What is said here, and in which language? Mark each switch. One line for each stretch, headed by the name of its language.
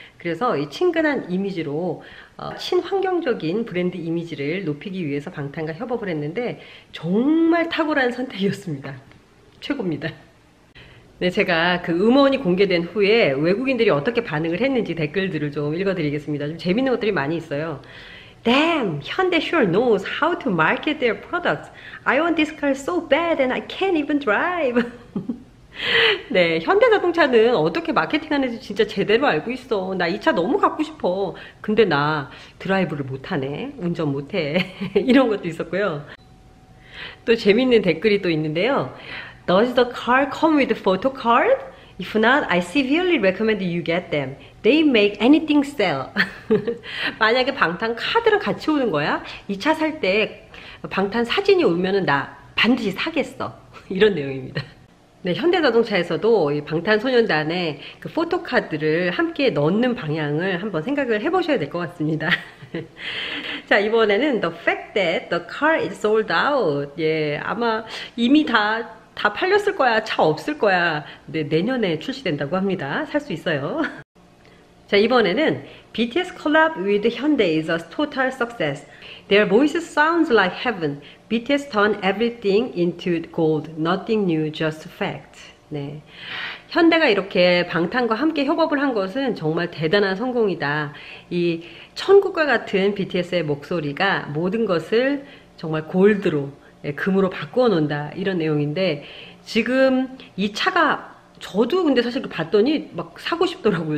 Korean: 그래서 이 친근한 이미지로 친환경적인 브랜드 이미지를 높이기 위해서 방탄과 협업을 했는데 정말 탁월한 선택이었습니다. 최고입니다. 네, 제가 그 음원이 공개된 후에 외국인들이 어떻게 반응을 했는지 댓글들을 좀 읽어드리겠습니다. 좀 재밌는 것들이 많이 있어요.
English: Damn, Hyundai sure knows how to market their products. I want this car so bad and I can't even drive.
Korean: 네, 현대자동차는 어떻게 마케팅하는지 진짜 제대로 알고 있어. 나이차 너무 갖고 싶어. 근데 나 드라이브를 못하네. 운전 못해. 이런 것도 있었고요. 또 재밌는 댓글이 또 있는데요.
English: Does the car come with a photo card? If not, I severely recommend you get them. They make anything sell.
Korean: 만약에 방탄 카드랑 같이 오는 거야? 이차살때 방탄 사진이 오면은 나 반드시 사겠어. 이런 내용입니다. 네, 현대자동차에서도 이 방탄소년단의 그 포토카드를 함께 넣는 방향을 한번 생각을 해보셔야 될것 같습니다. 자, 이번에는
English: The fact that the car is sold out.
Korean: 예, 아마 이미 다 팔렸을 거야. 차 없을 거야. 네, 내년에 출시된다고 합니다. 살수 있어요. 자, 이번에는
English: BTS collab with Hyundai is a total success. Their voices sounds like heaven. BTS turned everything into gold. Nothing new, just fact.
Korean: 네. 현대가 이렇게 방탄과 함께 협업을 한 것은 정말 대단한 성공이다. 이 천국과 같은 BTS의 목소리가 모든 것을 정말 골드로, 금으로 바꿔 놓는다. 이런 내용인데, 지금 이 차가 저도 근데 사실 봤더니 막 사고 싶더라고요.